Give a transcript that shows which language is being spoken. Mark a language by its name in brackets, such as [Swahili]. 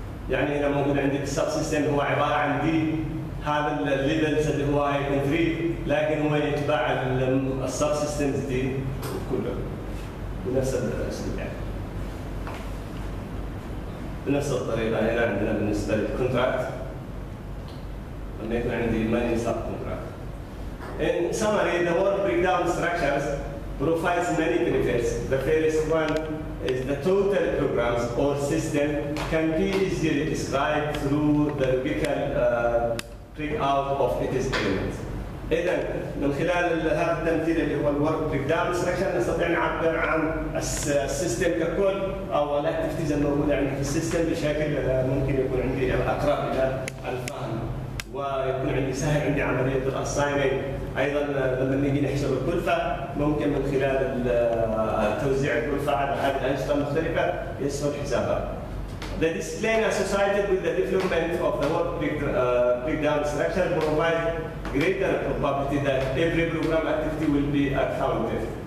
[Arabic] يعني هنا موجود عندي السب سيستم هو عباره عن دي هذا الليفلز اللي هو هيكون 3 لكن هو يتبع السب سيستمز دي كله بنفس الاسلوب يعني بنفس الطريقه هنا عندنا بالنسبه للكونتراكت لما يكون عندي ماني سب كونتراكت. [English] In summary, the work breakdown structures provides many benefits. The first one is the total programs or system can be easily described through the logical breakout of its elements. [Arabic] إذن من خلال هذا التمثيل اللي هو الورك بريك داون ستراكشر نستطيع نعبر عن السيستم ككل او الاكتيفيتيز الموجوده عندي في السيستم بشكل ممكن يكون عندي اقرب الى الفهم ويكون عندي سهل عندي عمليه الاساينينج. ايضا لما نيجي نحسب الكلفه ممكن من خلال توزيع الكلفه على هذه الانشطه المختلفه يسهل حسابها. [English] The discipline associated with the development of the work breakdown structure provides greater probability that every program activity will be accounted.